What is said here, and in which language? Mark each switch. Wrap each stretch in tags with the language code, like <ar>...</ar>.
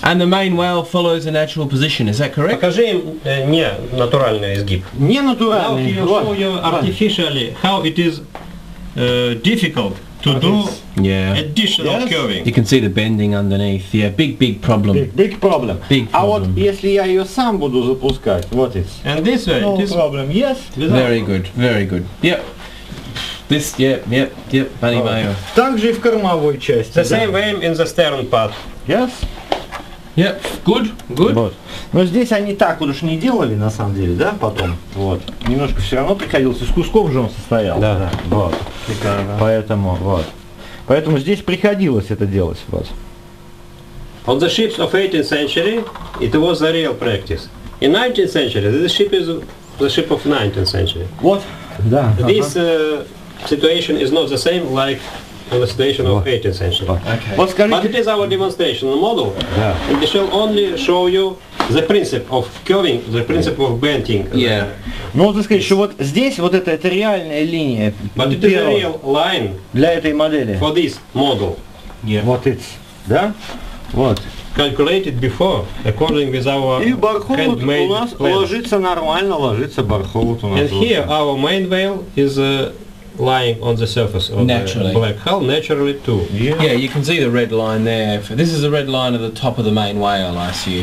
<en>And the main whale follows a natural position, is that correct?</en> <ru>Покажи им не натуральный изгиб. Не натуральный.</ru> <en>Now he will show you artificially how it is difficult to do additional curving. You can see the bending underneath. Yeah, big problem. Big problem. Big problem.</en> <ru>А вот если я ее сам буду запускать, вот это.</ru> <en>And this way, no problem. Yes. Very good. Very good. Yep. This, yep,</en> <ru>понимаю. Также и в кормовой части.</ru> <en>The same way in the stern part. Yes. Yep, good.</en> <ru>Вот. Но здесь они так вот уж не делали, на самом деле, да, потом. Вот. Немножко все равно приходилось, из кусков же он состоял. Да, да. Вот. Шикарно. Поэтому, вот. Поэтому здесь приходилось это делать. Вот.</ru> <en>On the ships of 18th century, it was a real practice. In 19th century, the ship is the ship of 19th century.</en> <ru>Вот. Да.</ru> <en>This situation is not the same like the situation of 18th century. Okay. But it is our demonstration model. Yeah. And it shall only show you the principle of curving, the principle of bending. Yeah.</en> <ru>Ну, вот ты скажешь, что вот здесь вот это реальная линия.</ru> <en>But it is a real line</en> <ru>для этой модели.</ru> <en>For this model.</en> <ru>Yeah. Вот это. Да? Вот.</ru> <en>Calculated before, according with our handmade plan.</en> <ru>И бархоут у нас ложится нормально, ложится бархоут у нас.</ru> <en>And here our main veil is lying on the surface of naturally. The black hull, naturally too. Yeah. Yeah, you can see the red line there. This is the red line at the top of the main whale, I see.</en>